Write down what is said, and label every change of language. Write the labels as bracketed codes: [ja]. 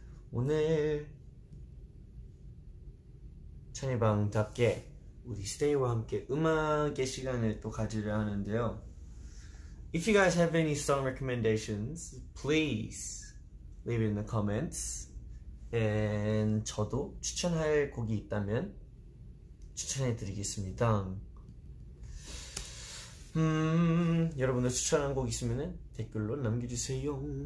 [ko] 오늘 찬이방답게 우리 스테이와 함께 음악의 시간을 또 가지려 하는데요. [en] If you guys have any song recommendations, please leave it in the comments. And [ko] 저도 추천할 곡이 있다면 추천해드리겠습니다. 여러분들 추천한 곡 있으면 댓글로 남겨주세요.